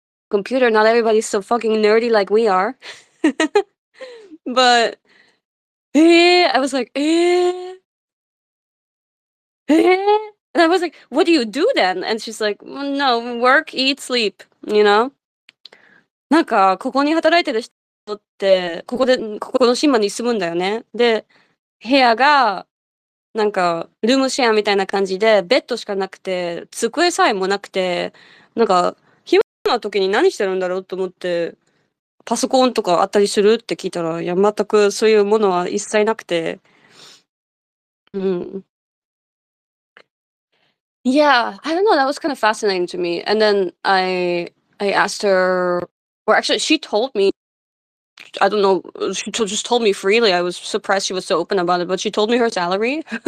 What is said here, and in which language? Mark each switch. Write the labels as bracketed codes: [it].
[en] Computer, not everybody's so fucking nerdy like we are. But I was like, and I was like, what do you do then? And she's like, well, no, work, eat, sleep, you know? [ja] なんかここに働いてる人ってここで、ここの島に住むんだよね。で、部屋が。なんか、ルームシェアみたいな感じで、ベッドしかなくて、机さえもなくて、なんか、暇な時に何してるんだろうと思って、パソコンとかあったりするって聞いたら、いや、全くそういうものは一切なくて。 [en] Yeah, I don't know, that was kind of fascinating to me. And then I asked her, or actually, she told me. I don't know. She just told me freely. I was surprised she was so open about it, but she told me her salary.